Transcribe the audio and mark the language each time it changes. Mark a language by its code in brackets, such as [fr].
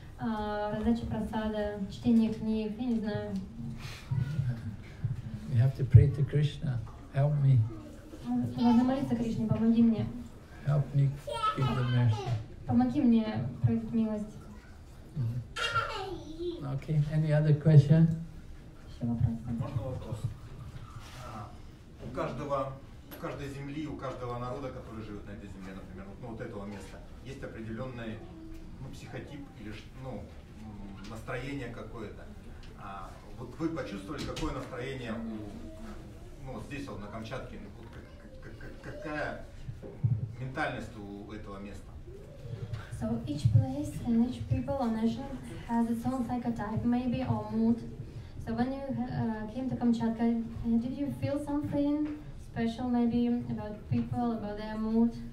[ru] Раздача прасада, чтение книг, я не знаю. [en] You have to pray to Krishna, help me. [ru] Нужно молиться Кришне, помоги мне. [en] Help me give the mercy. [ru] Помоги мне проявить милость. [en] Okay, any other question? [ru] еще вопрос? Можно вопрос? У каждого, у каждой земли, у каждого народа, который живет на этой земле, например, ну, вот этого места, есть определенный психотип или ну, настроение какое-то. А вот вы почувствовали, какое настроение у, ну, вот здесь вот на Камчатке, вот какая ментальность у этого места? [en] So each place and each people or nation has its own psychotype, maybe, or mood. So when you came to Kamchatka, did you feel something special, maybe, about people, about their mood?